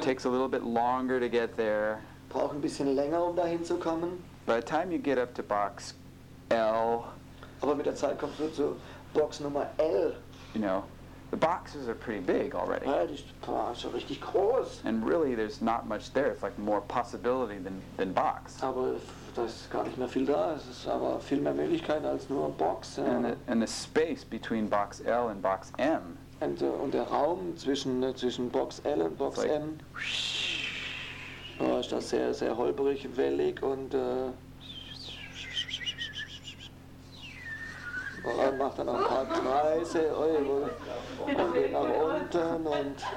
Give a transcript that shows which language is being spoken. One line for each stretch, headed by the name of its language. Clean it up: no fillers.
English: Takes a little bit longer to get there.
German: Braucht ein bisschen länger, um dahin zu kommen.
English: By the time you get up to box L.
German: Aber mit der Zeit kommst du zu Box Nummer L.
English: You know, the boxes are pretty big already.
German: Ja, die Boxen sind richtig groß.
English: And really, there's not much there. It's like more possibility than box.
German: Aber da ist gar nicht mehr viel da. Es ist aber viel mehr Möglichkeit als nur Box.
English: And the space between box L and box M.
German: Und der Raum zwischen Box L und Box
English: like,
German: M. Oh, ist das sehr, sehr holprig, wellig und. Und macht dann noch ein paar Kreise, und geht nach unten und.